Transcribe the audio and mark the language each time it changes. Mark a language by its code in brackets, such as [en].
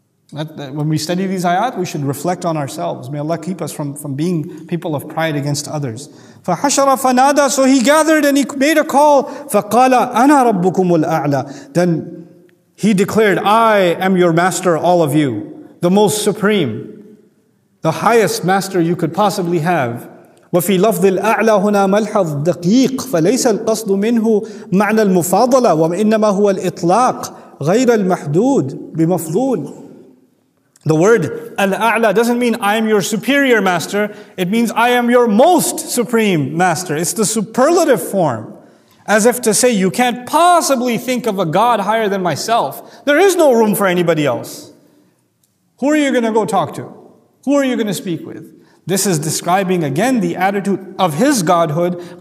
[en] When we study these ayat, we should reflect on ourselves. May Allah keep us from being people of pride against others. [ar] فَحَشَرَ فَنَادَى [en] So he gathered and he made a call. [ar] فَقَالَ أَنَا رَبُّكُمُ الْأَعْلَى [en] Then he declared, I am your master, all of you. The most supreme. The highest master you could possibly have. [ar] وَفِي لَفْظِ الْأَعْلَى هُنَا مَلْحَظْ دَقِيقْ فَلَيْسَ الْقَصْدُ مِنْهُ مَعْنَى الْمُفَاضَلَى وَإِنَّمَا هُوَ الْإِطْلَاقْ غَيْرَ الْمَحْدُودِ بِمَفْضُولِ [en] The word al-a'la doesn't mean I am your superior master. It means I am your most supreme master. It's the superlative form. As if to say you can't possibly think of a God higher than myself. There is no room for anybody else. Who are you going to go talk to? Who are you going to speak with? This is describing again the attitude of his godhood.